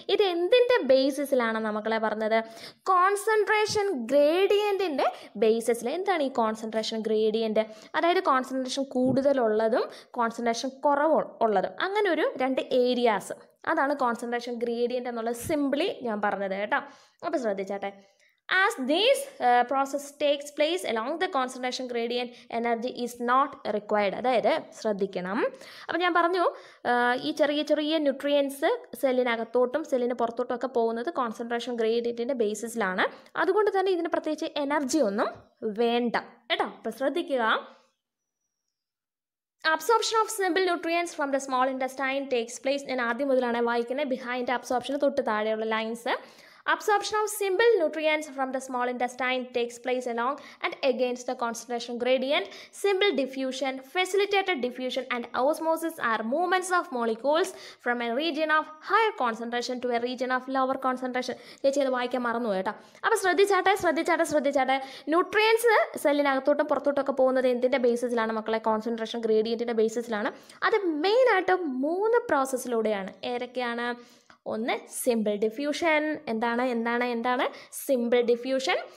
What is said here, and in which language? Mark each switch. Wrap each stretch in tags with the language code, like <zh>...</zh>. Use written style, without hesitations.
<ml>ഇത് എന്തിൻ്റെ ബേസിസിലാണ് നമുക്കളെ പറഞ്ഞത്? കോൺസെൻട്രേഷൻ ഗ്രേഡിയൻറ്റിൻ്റെ ബേസിസിൽ. എന്താണ് ഈ കോൺസെൻട്രേഷൻ ഗ്രേഡിയൻറ്റ്? അതായത് കോൺസെൻട്രേഷൻ കൂടുതലുള്ളതും കോൺസെൻട്രേഷൻ കുറവുള്ളതും, അങ്ങനെ ഒരു രണ്ട് ഏരിയാസ്, അതാണ് കോൺസെൻട്രേഷൻ ഗ്രേഡിയൻ്റ് എന്നുള്ളത് സിംപ്ലി ഞാൻ പറഞ്ഞത് കേട്ടോ. അപ്പോൾ ശ്രദ്ധിച്ചാട്ടെ.</ml> <en>As this process takes place along the concentration gradient, energy is not required.</en> <ml>അതായത് ശ്രദ്ധിക്കണം. അപ്പം ഞാൻ പറഞ്ഞു, ഈ ചെറിയ ചെറിയ ന്യൂട്രിയൻസ് സെല്ലിനകത്തോട്ടും സെല്ലിന് പുറത്തോട്ടും ഒക്കെ പോകുന്നത് കോൺസെൻട്രേഷൻ ഗ്രേഡിയൻറ്റിൻ്റെ ബേസിസിലാണ്. അതുകൊണ്ട് തന്നെ ഇതിന് പ്രത്യേകിച്ച് എനർജി ഒന്നും വേണ്ട കേട്ടോ. അപ്പം ശ്രദ്ധിക്കുക.</ml> <en>Absorption of simple nutrients from the small intestine takes place.</en> <ml>ഞാൻ ആദ്യം മുതലാണ് വായിക്കുന്നത്, ബിഹൈൻഡ് അബ്സോർപ്ഷന് തൊട്ട് താഴെയുള്ള lines.</ml> <en>Absorption of simple nutrients from the small intestine takes place along and against the concentration gradient. Simple diffusion, facilitated diffusion and osmosis are movements of molecules from a region of higher concentration to a region of lower concentration.</en> <ml>ചേച്ചിയത് വായിക്കാൻ മറന്നു കേട്ടോ. അപ്പോൾ ശ്രദ്ധിച്ചാട്ടെ. Nutrients സെല്ലിനകത്തോട്ടും പുറത്തോട്ടൊക്കെ പോകുന്നത് എന്തിൻ്റെ ബേസിസിലാണ് മക്കളെ? Concentration ഗ്രേഡിയൻറ്റിൻ്റെ ബേസിസിലാണ്. അത് മെയിനായിട്ട് മൂന്ന് പ്രോസസ്സിലൂടെയാണ്. ഏതൊക്കെയാണ്? ഒന്ന് സിമ്പിൾ ഡിഫ്യൂഷൻ. എന്താണ് സിമ്പിൾ ഡിഫ്യൂഷൻ?</ml>